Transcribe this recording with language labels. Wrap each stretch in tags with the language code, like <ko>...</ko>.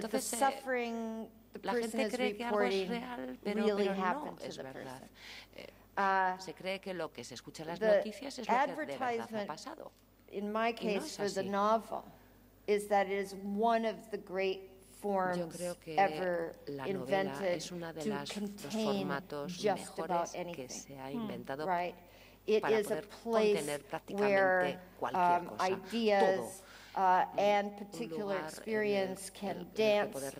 <en>that the suffering the person is reporting really happened to the person.</en> <es>Se cree que lo que se escucha en las noticias es lo que de verdad ha pasado.</es> <en>In my case, for the novel, is that it is one of the great forms ever invented to contain just about anything. Right? It is a place where ideas and particular experience can dance.</en>